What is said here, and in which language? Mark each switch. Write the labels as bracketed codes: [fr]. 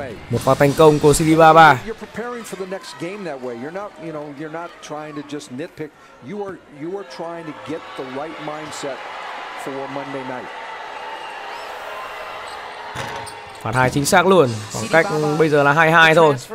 [vi] Một pha thành công của Sidi Baba. [en] For the next game that way. You're not trying to just nitpick. You are trying to get the right mindset for Monday night. [vi] Phản hai chính xác luôn. Khoảng cách bây giờ là 22 thôi.